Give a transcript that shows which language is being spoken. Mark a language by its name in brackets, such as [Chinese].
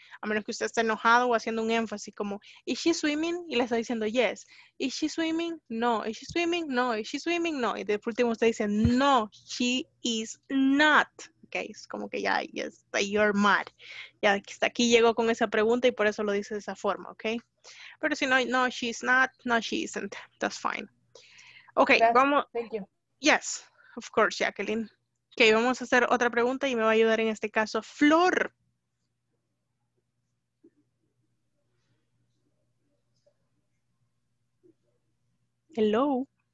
[Spanish] A menos que usted esté enojado o haciendo un énfasis como, [English] is she swimming? [Spanish] Y le está diciendo, [English] yes. Is she swimming? No. Is she swimming? No. Is she swimming? [Spanish] No. Y de último usted dice, no, [English] she is not. [Spanish] Okay, es como que ya, [English] yes, you're mad. [Spanish] Ya, hasta aquí llegó con esa pregunta y por eso lo dice de esa forma, okay? Pero si no, no, [English] she's not, [Spanish] no, [English] she isn't. That's fine. Okay, that's, vamos. Thank you. Yes, of course, Jacqueline. [Spanish] Okay, vamos a hacer otra pregunta y me va a ayudar en este caso, Flor. [English] Hello.